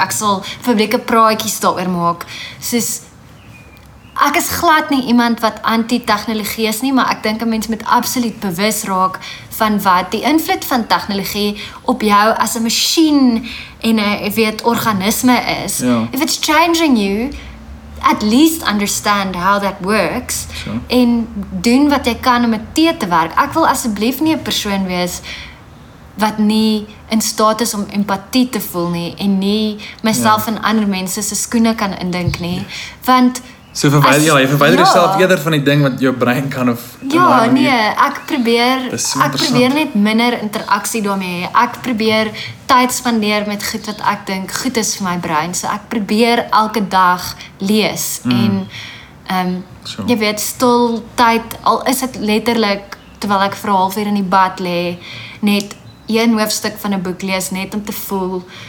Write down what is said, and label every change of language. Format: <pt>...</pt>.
<af>Ek sal publieke praatjies daaroor maak. Soos, ek is glad nie iemand wat anti-tegnologie is nie, maar ek dink 'n mens moet absoluut bewus raak van wat die invloed van tegnologie op jou as 'n masjien en 'n, jy weet, organisme is. Ja.</af> <en>If it's changing you, at least understand how that works. So.</en> <af>En doen wat jy kan om teë te werk. Ek wil asseblief nie 'n persoon wees wat nie in staat is om empatie te voel nie en nie myself en ander mense se skoene kan indink nie. Want... So verwijder jouself eerder van die ding wat jou brein kan of... Ja, nee, ek probeer net minder interaksie daarmee. Ek probeer tyd spandeer met goed wat ek dink goed is vir my brein. So ek probeer elke dag lees en jy weet, stil tyd, al is het letterlik, terwyl ek vir 'n halfuur in die bad lê, net een hoofstuk van 'n boek lees, net om te voel...</af>